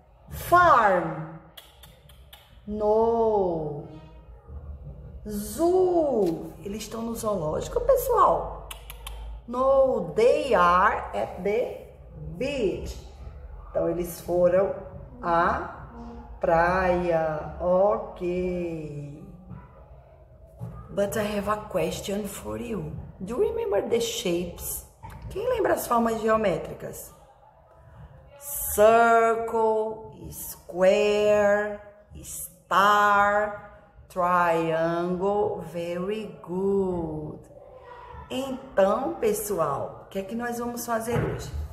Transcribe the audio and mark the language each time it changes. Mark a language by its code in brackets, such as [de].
[en] Farm? No. Zoo. [pt] Eles estão no zoológico, pessoal? [en] No, they are at the beach. [pt] Então, eles foram à praia. [en] Ok. But I have a question for you. Do you remember the shapes? [pt] Quem lembra as formas geométricas? [en] Circle, square, star... Triangle, very good. [pt] Então, pessoal, o que é que nós vamos fazer hoje?